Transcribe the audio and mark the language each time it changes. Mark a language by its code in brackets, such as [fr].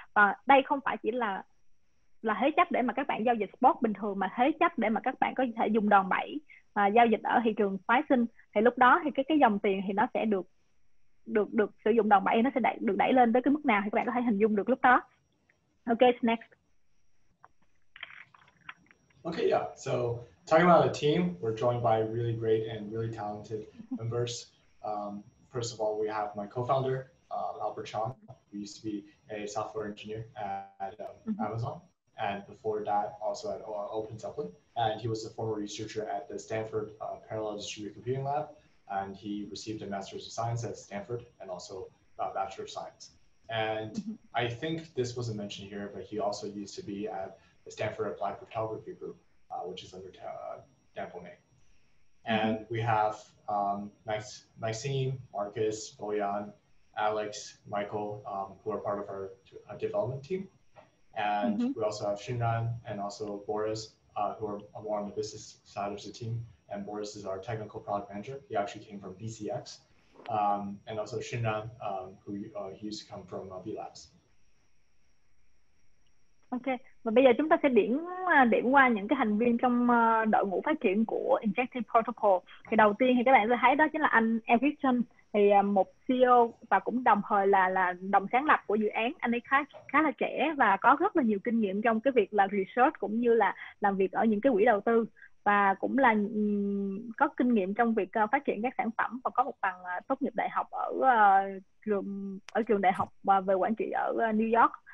[vi] Và đây không phải chỉ là thế chấp để mà các bạn giao dịch spot bình thường, mà thế chấp để mà các bạn có thể dùng đòn bẩy giao dịch ở thị trường phái sinh. Thì lúc đó thì cái dòng tiền thì nó sẽ được sử dụng đòn bẩy, nó sẽ được đẩy lên tới cái mức nào thì các bạn có thể hình dung được lúc đó. [en] Ok, next. Ok, yeah, so talking about a team, we're joined by really great and really talented members. First of all, we have my co-founder, Albert Chong. He used to be a software engineer at Amazon. And before that, also at OpenZeppelin. And he was a former researcher at the Stanford Parallel Distributed Computing Lab. And he received a Master's of Science at Stanford and also a Bachelor of Science. And I think this wasn't mentioned here, but he also used to be at the Stanford Applied Cryptography Group. Which is under Dampone. And we have Maxime, Marcus, Boyan, Alex, Michael, who are part of our development team. And we also have Shinran and also Boris, who are more on the business side of the team. And Boris is our technical product manager. He actually came from BCX. And also Shinran, who he used to come from B-Labs. [vi] Ok, và bây giờ chúng ta sẽ điểm qua những cái thành viên trong đội ngũ phát triển của Injective Protocol. Thì đầu tiên thì các bạn sẽ thấy đó chính là anh Eric Chen, thì một CEO và cũng đồng thời là đồng sáng lập của dự án. Anh ấy khá là trẻ và có rất là nhiều kinh nghiệm trong cái việc là research cũng như là làm việc ở những cái quỹ đầu tư, và cũng là có kinh nghiệm trong việc phát triển các sản phẩm và có một bằng tốt nghiệp đại học ở trường đại học về quản trị ở New York.